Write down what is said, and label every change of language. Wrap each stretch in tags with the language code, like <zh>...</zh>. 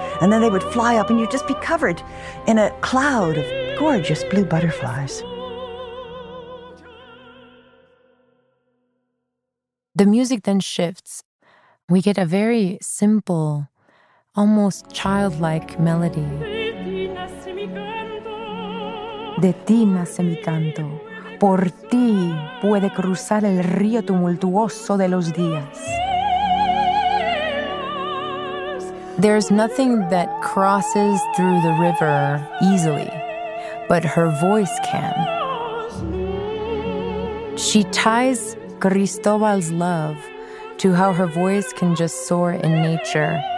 <en>And then they would fly up, and you'd just be covered in a cloud of gorgeous blue butterflies. The music then shifts. We get a very simple, almost childlike melody.</en> <es>De ti nace mi canto. Por ti puede cruzar el río tumultuoso de los días.</es> <en>There's nothing that crosses through the river easily, but her voice can. She ties Cristobal's love to how her voice can just soar in nature.</en>